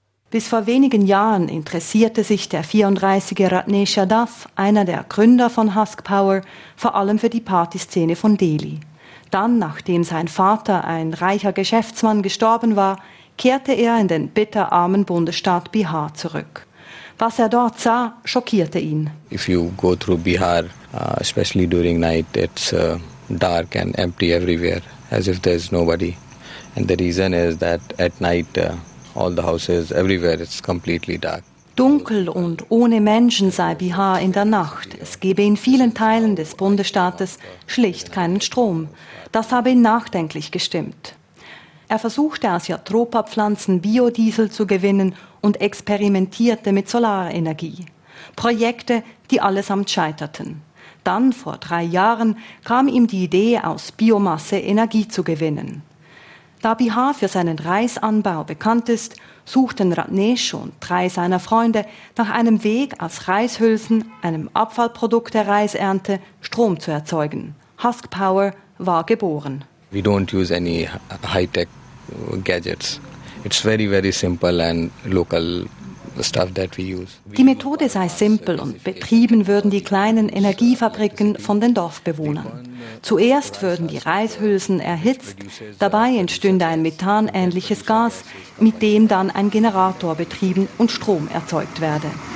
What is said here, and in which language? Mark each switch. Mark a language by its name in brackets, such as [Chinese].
[German] Bis vor wenigen Jahren interessierte sich der 34-jährige Ratnesh Yadav, einer der Gründer von Husk Power, vor allem für die Partyszene von Delhi. Dann, nachdem sein Vater, ein reicher Geschäftsmann, gestorben war, kehrte er in den bitterarmen Bundesstaat Bihar zurück. Was er dort sah, schockierte ihn. [English] If you go through Bihar, especially during night, it's dark and empty everywhere, as if there's nobody. And the reason is that at night, all the houses, everywhere, it's completely dark. [German] Dunkel und ohne Menschen sei Bihar in der Nacht. Es gebe in vielen Teilen des Bundesstaates schlicht keinen Strom. Das habe ihn nachdenklich gestimmt. Er versuchte aus Jatropha-Pflanzen Biodiesel zu gewinnen und experimentierte mit Solarenergie. Projekte, die allesamt scheiterten. Dann, vor 3 Jahren, kam ihm die Idee, aus Biomasse Energie zu gewinnen. Da Bihar für seinen Reisanbau bekannt ist, suchten Ratnesh und 3 seiner Freunde nach einem Weg, aus Reishülsen, einem Abfallprodukt der Reisernte, Strom zu erzeugen. Husk Power war geboren. [English] We don't use any high-tech gadgets. It's very, very simple and local stuff that we use. [German] Die Methode sei simpel und betrieben würden die kleinen Energiefabriken von den Dorfbewohnern. Zuerst würden die Reishülsen erhitzt, dabei entstünde ein methanähnliches Gas, mit dem dann ein Generator betrieben und Strom erzeugt werde.